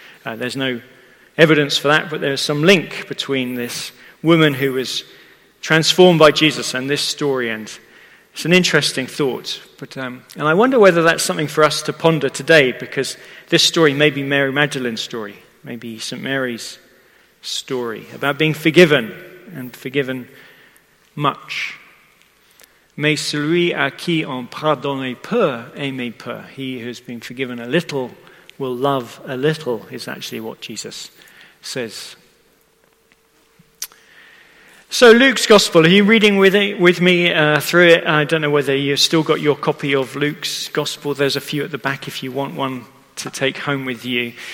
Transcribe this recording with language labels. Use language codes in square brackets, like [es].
[en] There's no evidence for that, but there's some link between this woman who was transformed by Jesus and this story, and it's an interesting thought. But and I wonder whether that's something for us to ponder today, because this story may be Mary Magdalene's story, maybe St. Mary's story about being forgiven and forgiven much. [fr] Mais celui à qui on pardonne peu aime peu. [en] He who's been forgiven a little will love a little, is actually what Jesus says. So Luke's Gospel, are you reading with me through it? I don't know whether you've still got your copy of Luke's Gospel. There's a few at the back if you want one to take home with you.